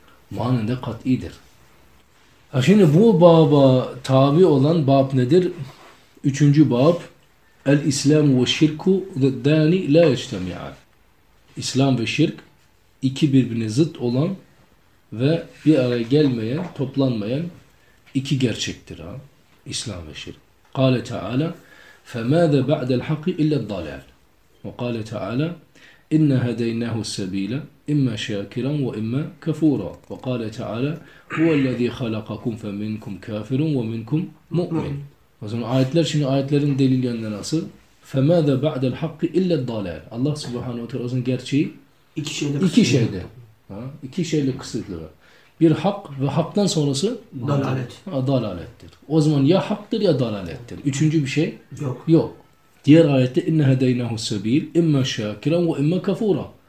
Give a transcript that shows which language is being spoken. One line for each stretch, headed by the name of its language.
Turkish: Manen de kat'idir. Ha şimdi bu baba tabi olan bab nedir? Üçüncü bab.
Arabic: El-İslamu ve şirku dâni la yeştemi'an.
Turkish: İslam ve şirk iki birbirine zıt olan ve bir araya gelmeyen, toplanmayan iki gerçektir ha. İslam ve şirk.
Arabic: Kâle Teâlâ, فَمَاذَ بَعْدَ الْحَقِّ اِلَّا الضَّلَالِ وَقَالَ تَعَالَى اِنَّ هَدَيْنَهُ السَّب۪يلَ اِمَّا شَاكِرًا وَاِمَّا كَفُورًا وَقَالَ تَعَالَى هُوَ الَّذ۪ي خَلَقَكُمْ فَمِنْكُمْ كَافِرٌ وَمِنْكُمْ مُؤْمِنٌ
Turkish: O zaman ayetler, şimdi ayetlerin delil yönden nasıl?
Arabic: فَمَاذَ بَعْدَ الْحَقِّ اِلَّا الضَّلَالِ
Turkish: Allah subhanahu wa ta'ala o zaman gerçeği iki şeyde. İki şeyle kısıtlı. Bir hak ve haktan sonrası dalalet. Dalalettir. O zaman ya haktır ya dalalettir. Üçüncü bir şey yok. Yok. Diğer ayette
Arabic: inne hedeynahu sabil imma şakiran ve imma kafura.